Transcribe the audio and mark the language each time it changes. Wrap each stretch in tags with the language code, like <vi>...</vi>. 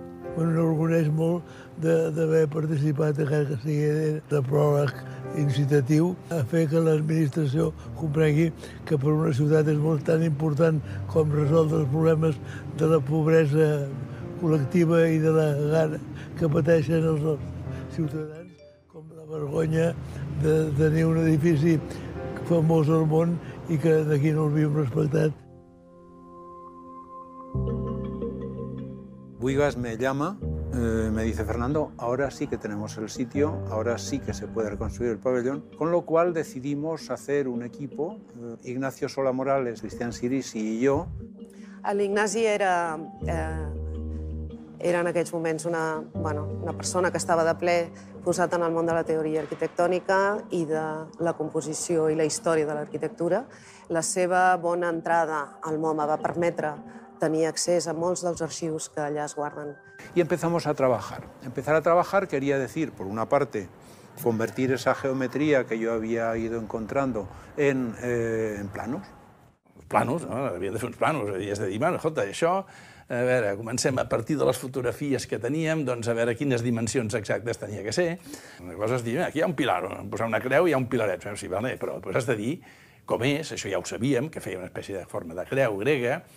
<ca>Bueno, m'enorgulleix molt d'haver participat, encara que sigui de pròleg incitatiu, a fer que l'administració comprengui que per una ciutat és molt tan important com resoldre els problemes de la pobresa col·lectiva i de la gana que pateixen els ciutadans, com la vergonya de tenir un edifici famós al món i que d'aquí no el viu respectat.</ca> <es>Buigas me llama, me dice: Fernando, ahora sí que tenemos el sitio, ahora sí que se puede reconstruir el pabellón. Con lo cual decidimos hacer un equipo, Ignacio Sola Morales, Cristian Siris y yo.</es> <ca>El Ignasi era en aquests moments una persona que estava de ple posat en el món de la teoria arquitectònica i de la composició i la història de l'arquitectura. La seva bona entrada al MoMA va permetre tenir accés a molts dels arxius que allà es guarden. Y empezamos a trabajar. Empezar a trabajar quería decir, por una parte, convertir esa geometría que yo había ido encontrando en planos. Planos, no? Havia de fer uns planos. I és a dir, bueno, escolta, això, a veure, comencem a partir de les fotografies que teníem, doncs a veure quines dimensions exactes tenia que ser. Una cosa és dir, aquí hi ha un pilar, posar una creu i hi ha un pilaret. Sí, vale, però doncs has de dir com és, això ja ho sabíem, que feia una espècie de forma de creu grega.</ca>